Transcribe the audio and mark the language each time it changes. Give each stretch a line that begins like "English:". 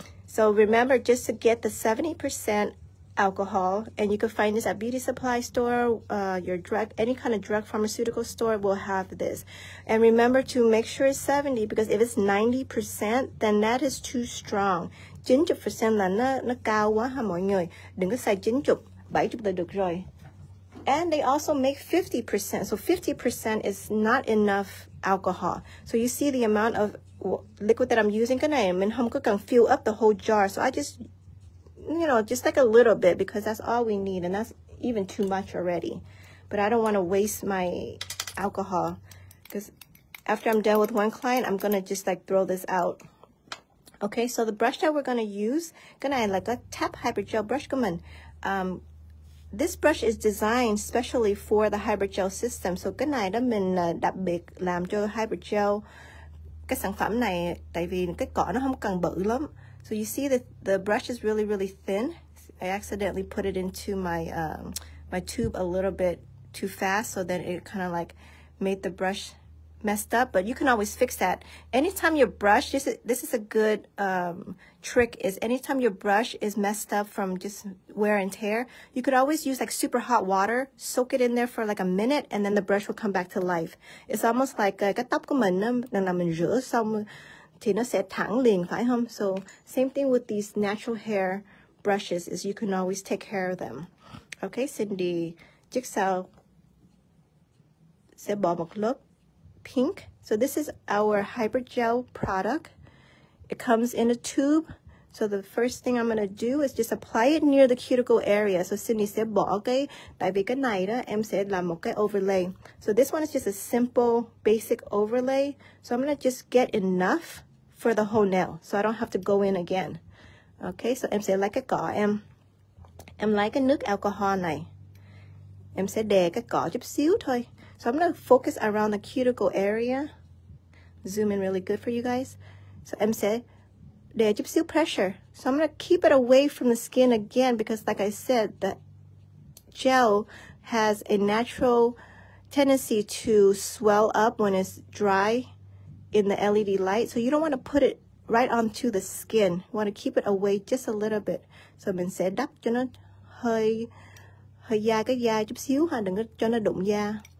English: So remember just to get the 70% alcohol, and you can find this at beauty supply store, your drug, any kind of drug pharmaceutical store will have this. And remember to make sure it's 70, because if it's 90%, then that is too strong.
Vietnamese: 70% là nó cao quá ha mọi người. Đừng có xài 70, 70 là được rồi.
English: And they also make 50%. So 50% is not enough alcohol. So you see the amount of liquid that I'm using.
Vietnamese: Cái này mình không có cần
English: fill up the whole jar. So I just, you know, just like a little bit, because that's all we need. And that's even too much already. But I don't want to waste my alcohol, because after I'm done with one client, I'm going to just like throw this out. Okay, so the brush that we're going to use, gonna like a T.A.P hydrogel brush. Come on. This brush is designed specially for the hybrid gel system.
Vietnamese: So cái này đó mình đặc biệt làm cho hybrid gel. Cái sản phẩm này tại vì cái cỏ nó không cần bự lắm.
English: So you see that the brush is really really thin. I accidentally put it into my my tube a little bit too fast, so then it kind of like made the brush messed up, but you can always fix that. Anytime your brush, this is a good trick, is anytime your brush is messed up from just wear and tear, you could always use like super hot water, soak it in there for like a minute, and then the brush will come back to life. It's almost like
Vietnamese: cái tóc của mình là mình rửa xong thì nó sẽ thẳng liền, phải không?
English: So same thing with these natural hair brushes, is you can always take care of them.
Vietnamese: Okay, Cindy, Jigsaw sẽ bỏ một lớp pink.
English: So this is our hybrid gel product. It comes in a tube. So the first thing I'm going to do is just apply it near the cuticle area. So Sydney said, okay,
Vietnamese: tại vì cái này đó em sẽ làm một cái overlay.
English: So this one is just a simple basic overlay. So I'm going to just get enough for the whole nail, so I don't have to go in again.
Vietnamese: Okay, so em sẽ lấy cái cỏ, em lấy cái nước alcohol này. Em sẽ đè cái cỏ chút xíu thôi.
English: So I'm going to focus around the cuticle area. Zoom in really good for you guys.
Vietnamese: So em sẽ đè chút xíu pressure.
English: So I'm going to keep it away from the skin again, because like I said, the gel has a natural tendency to swell up when it's dry in the LED light. So you don't want to put it right onto the skin. You want to keep it away just a little bit.
Vietnamese: So mình sẽ đắp cho nó hơi da cái da chút xíu ha, đừng cho nó đụng da.